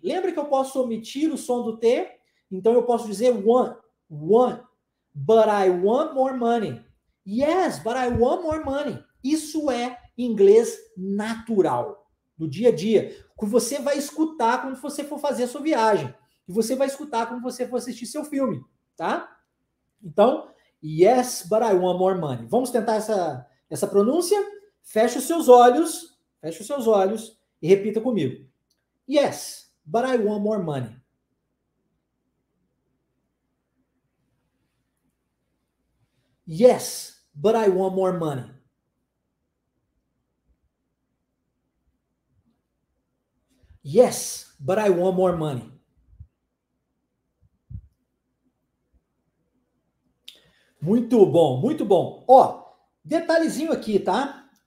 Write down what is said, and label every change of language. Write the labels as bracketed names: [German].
[Portuguese] Lembra que eu posso omitir o som do T? Então, eu posso dizer [English] want, but I want more money. Yes, but I want more money. [Portuguese] Isso é inglês natural. Do dia a dia, que você vai escutar quando você for fazer a sua viagem, que você vai escutar quando você for assistir seu filme, tá? Então, [English] yes, but I want more money. [Portuguese] Vamos tentar essa pronúncia? Fecha os seus olhos e repita comigo. [English] Yes, but I want more money. Yes, but I want more money. Yes, but I want more money. [Portuguese] Muito bom, ó, detalhezinho aqui, tá?